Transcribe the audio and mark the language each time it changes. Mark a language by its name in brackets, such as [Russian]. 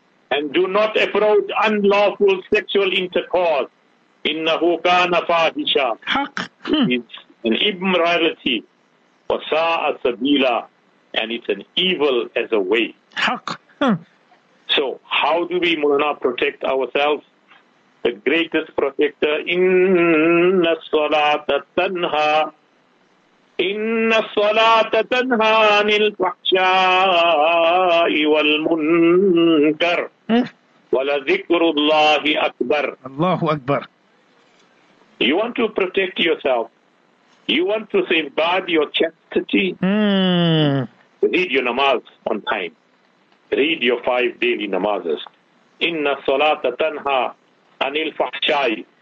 [English] And do not approach unlawful sexual intercourse. [Arabic] إِنَّهُ كَانَ فَاهِشًا. [English] It's an immorality, [Arabic] وَسَاءَ سَبِيلًا, [English] and it's an evil as a way. So, how do we, Mulana, protect ourselves? The greatest protector, [Arabic] إِنَّ الصَّلَاةَ تَنْهَى إِنَّ الصَّلَاةَ تَنْهَى عَنِ الْفَحْشَاءِ وَالْمُنْكَرِ وَلَذِكْرُ اللَّهِ أَكْبَرُ. Allahu Akbar. [English] You want to protect yourself. You want to safeguard your chastity. Read your namaz on time. Read your five daily namazes. [Arabic] Inna salata tanha anil fahshai.